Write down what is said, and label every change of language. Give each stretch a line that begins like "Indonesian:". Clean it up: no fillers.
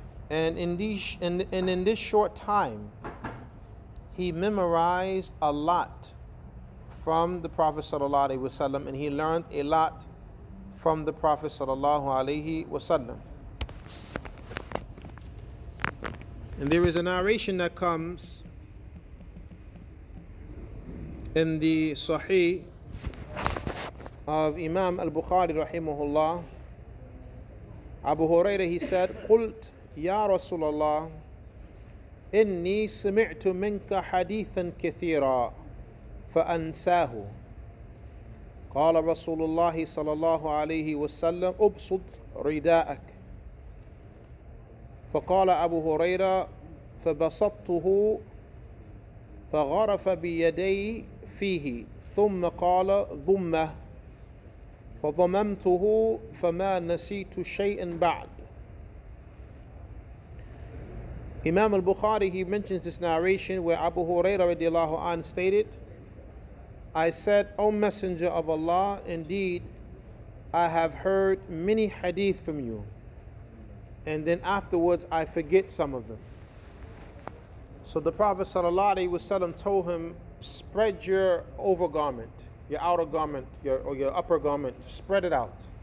English: And in this short time, he memorized a lot from the Prophet sallallahu alaihi wasallam, and he learned a lot from the Prophet sallallahu alaihi wasallam. And there is a narration that comes in the Sahih of Imam al-Bukhari rahimahullah.
Arabic: Abu Hurairah,
English: he said,
Arabic: قلت يا رسول الله إني سمعت منك حديثا كثيرا فأنساه. قال رسول الله صلى الله عليه وسلم أبسط رداءك. فقال أبو هريرة فبسطته فغرف بيدي فيه ثم قال ضمه فضممته فما نسيت شيئا بعد.
English: Imam al-Bukhari, he mentions this narration where Abu Hurairah radiallahu anhu stated, I said, O Messenger of Allah, indeed, I have heard many hadith from you. And then afterwards, I forget some of them. So the Prophet sallallahu alaihi wasallam told him, spread your overgarment, your outer garment, your upper garment, spread it out.